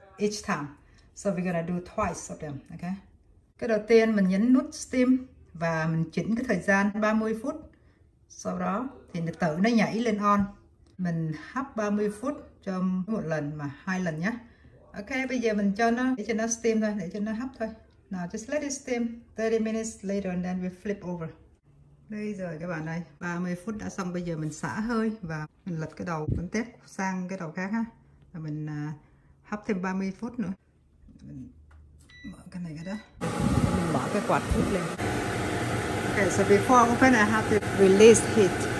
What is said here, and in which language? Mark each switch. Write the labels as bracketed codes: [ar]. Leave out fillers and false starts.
[en] Each time. So we're gonna do twice of them, okay? [vi] Cái đầu tiên mình nhấn nút steam và mình chỉnh cái thời gian 30 phút. Sau đó thì nó tự nó nhảy lên on. Mình hấp 30 phút cho một lần mà hai lần nhá. Ok, bây giờ mình cho nó, để cho nó steam thôi, để cho nó hấp thôi. [en] Now just let it steam 30 minutes later and then we flip over. [vi] Đây rồi các bạn ơi, 30 phút đã xong, bây giờ mình xả hơi và mình lật cái đầu bánh tét sang cái đầu khác ha. Và mình hấp thêm 30 phút nữa. Mình mở cái này cái đó. Mình mở cái quạt hút lên. [en] Okay, so before open, I have to release heat.